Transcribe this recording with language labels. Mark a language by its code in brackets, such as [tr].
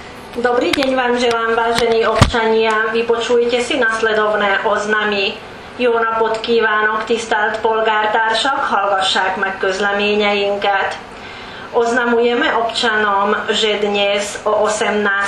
[sk] Dobrý deň vám želám, vážení občania. Vypočujte si nasledovné oznamy. [hu] Jó napot kívánok, tisztelt polgártársak, hallgassák meg közleményeinket. [sk] Oznamujeme občanom, že dnes o 18.